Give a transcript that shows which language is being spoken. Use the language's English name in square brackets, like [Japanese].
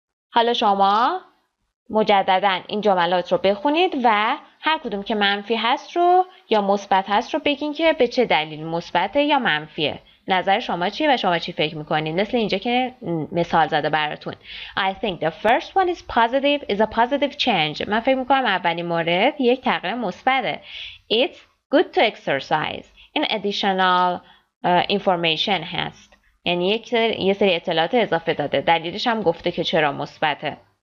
[Persian] حالا شما مجدداً این جملات رو بخونید و هر کدوم که منفی هست رو یا مثبت هست رو بگین که به چه دلیل مثبته یا منفیه. نظر شما چیه و شما چی فکر میکنید؟ مثل اینجا که مثال زده براتون. [English] I think the first one is positive, is a positive change. [Persian] من فکر میکنم اولین مورد یک تغییر مثبته. [English] It's good to exercise. این additional information هست. [Persian] یعنی یه سری اطلاعات اضافه داده. دلیلش هم گفته که چرا مثبته.